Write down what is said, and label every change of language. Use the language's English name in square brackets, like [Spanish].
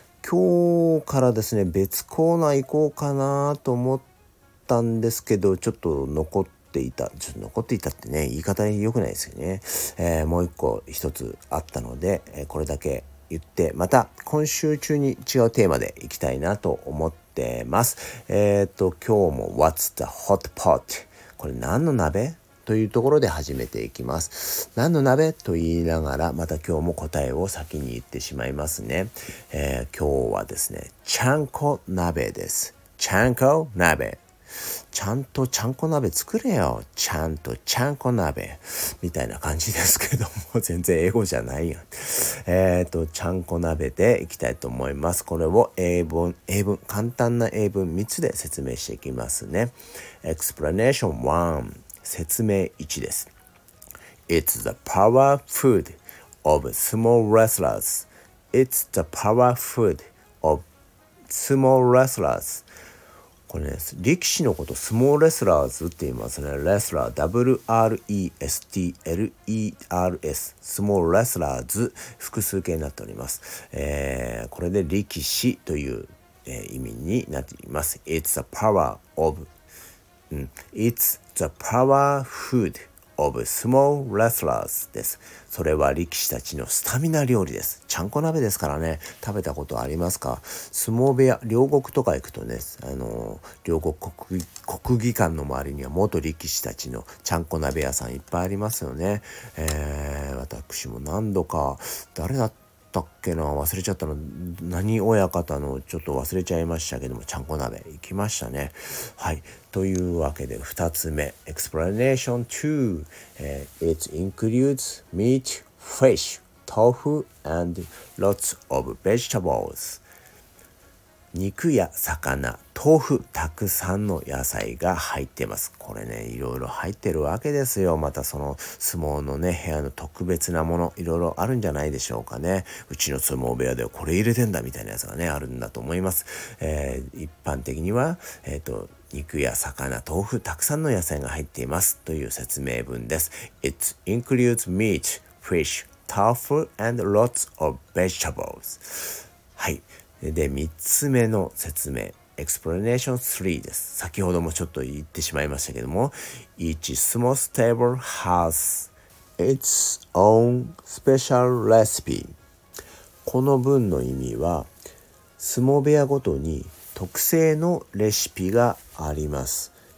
[Japanese] 今日からですね、別コーナー行こうかなと思ったんですけど、ちょっと残っていた、ちょっと残っていたってね、言い方良くないですよね、もう一個一つあったので、これだけ言って、また今週中に違うテーマで行きたいなと思って出ます。今日も [English] What's the hot pot? [Japanese] これ何の鍋というところで始めていきます。何の鍋と言いながら、また今日も答えを先に言ってしまいますね、今日はですね、ちゃんこ鍋です。ちゃんこ鍋、ちゃんとちゃんこ鍋作れよ、ちゃんとちゃんこ鍋みたいな感じですけども、全然英語じゃないよ。ちゃんこ鍋でいきたいと思います。これを英文、簡単な英文3つで説明していきますね。 Explanation 1、 説明1です。 [English] It's the power food of small wrestlers. It's the power food of small wrestlers. [Japanese] これね、力士のことスモーレスラーズって言いますね。レスラー、WRESTLERS、スモーレスラーズ、複数形になっております。これで力士という、意味になっています。 [English] It's the power of、It's the power food of small wrestlers [Japanese] です。それは力士たちのスタミナ料理です。ちゃんこ鍋ですからね。食べたことありますか？相撲部屋、両国とか行くとね、両国国技館の周りには元力士たちのちゃんこ鍋屋さんいっぱいありますよね。私も何度か、誰だったっけな、忘れちゃったの、何親方のちょっと忘れちゃいましたけども、ちゃんこ鍋行きましたね。はい。というわけで2つ目、 [English] Explanation 2、It includes meat, fish, tofu, and lots of vegetables. [Japanese] 肉や魚、豆腐、たくさんの野菜が入ってます。これね、いろいろ入ってるわけですよ。またその相撲のね、部屋の特別なもの、いろいろあるんじゃないでしょうかね。うちの相撲部屋ではこれ入れてんだみたいなやつがね、あるんだと思います。一般的には、肉や魚、豆腐、たくさんの野菜が入っていますという説明文です。 [English] It includes meat, fish, tofu, and lots of vegetables. [Japanese] はい。で、3つ目の説明、Explanation 3です。先ほどもちょっと言ってしまいましたけども、 [English] Each small table has its own special recipe. [Japanese] この文の意味は、相撲部屋ごとに特製のレシピがあります。